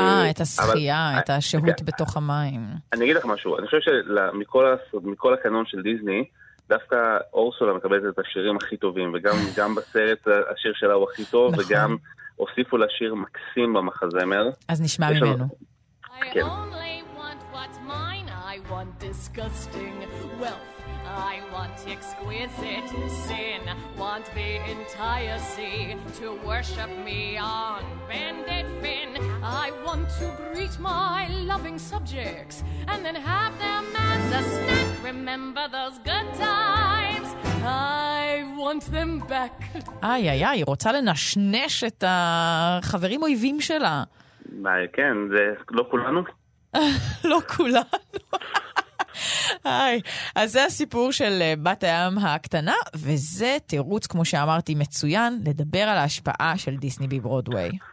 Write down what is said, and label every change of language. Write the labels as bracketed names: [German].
[Hebrew] את השחייה, את השהות בתוך המים. אני אגיד לך משהו, אני חושב שמכל הקנון של דיסני, דווקא אורסולה מקבלת את השירים הכי טובים, וגם בסרט השיר שלה הוא הכי טוב, וגם הוסיפו לה שיר מקסים במחזמר. אז נשמע ממנו. כן. [English] I want disgusting wealth, I want exquisite sin, want the entire sea to worship me on bended fin. I want to greet my loving subjects and then have them as a snack. Remember those good times, I want them back. [Hebrew] איי איי איי, רוצה לנשנש את החברים אויבים שלה. מה, כן, זה לא כולנו? לא כולנו. היי, אז זה הסיפור של בת הים הקטנה, וזה תירוץ, כמו שאמרתי, מצוין לדבר על ההשפעה של דיסני בברודווי.